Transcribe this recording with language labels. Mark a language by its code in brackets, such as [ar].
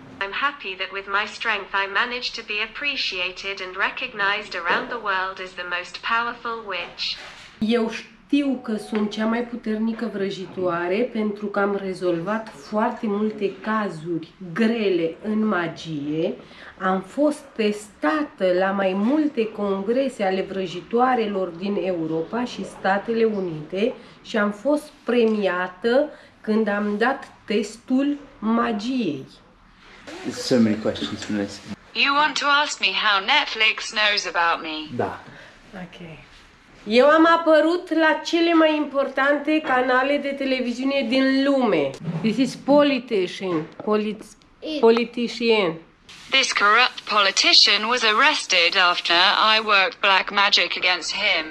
[en] Happy that with my strength I managed to be appreciated and recognized around the world as the most powerful witch. [ro] Eu știu că sunt cea mai puternică vrăjitoare pentru că am rezolvat foarte multe cazuri grele în magie. Am fost testată la mai multe congrese ale vrăjitoarelor din Europa și Statele Unite și am fost premiată când am dat testul magiei. [en] There's so many questions from this. You want to ask me how Netflix knows about me? [ro] Da. [en] Okay. [ro] Eu am apărut la cele mai importante canale de televiziune din lume. [en] This is politician. Politician. This corrupt politician was arrested after I worked black magic against him.